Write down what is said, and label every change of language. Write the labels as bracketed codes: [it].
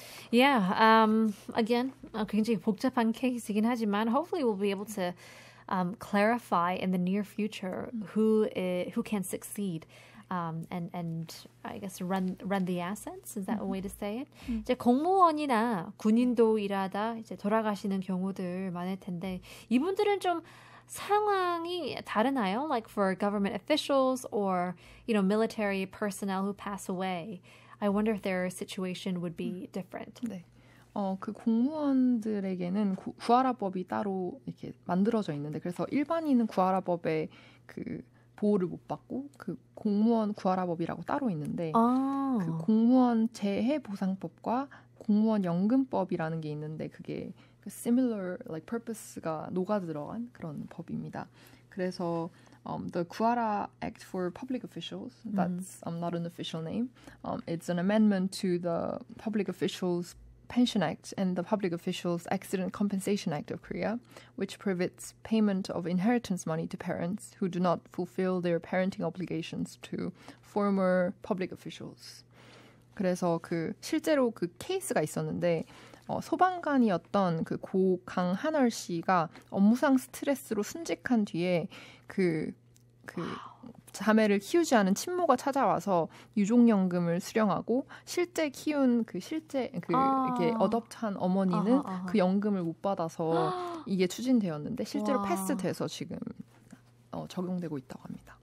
[en] Yeah, again, [ko] 굉장히 복잡한 케이스이긴 하지만 [en] hopefully we'll be able to clarify in the near future who can succeed and I guess run the assets. Is that mm-hmm. a way to say it? Mm-hmm. [ko] 이제 공무원이나 군인도 일하다 이제 돌아가시는 경우들 많을 텐데 이분들은 좀 상황이 다르나요? [en] Like for government officials or you know military personnel who pass away, I wonder if their situation would be mm-hmm. different. [ko] 네. 그 공무원들에게는 구하라법이 따로 이렇게 만들어져 있는데 그래서 일반인은 구하라법의 그 보호를 못 받고 그 공무원 구하라법이라고 따로 있는데 아. 그 공무원 재해 보상법과 공무원 연금법이라는 게 있는데 그게 그 [en] similar like purpose [ko] 가 녹아들어간 그런 법입니다. [en] 그래서 the 구하라 Act for Public Officials, that's not an official name. It's an amendment to the Public Officials Pension Act and the Public Officials Accident Compensation Act of Korea, which prohibits payment of inheritance money to parents who do not fulfill their parenting obligations to former public officials. [ko] 그래서 그 실제로 그 케이스가 있었는데 소방관이었던 그 고 강한월 씨가 업무상 스트레스로 순직한 뒤에 그 자매를 키우지 않은 친모가 찾아와서 유족연금을 수령하고 실제 키운 그 실제 그 이렇게 어답트한 어머니는 그 연금을 못 받아서 이게 추진되었는데 실제로 패스돼서 지금 적용되고 있다고 합니다.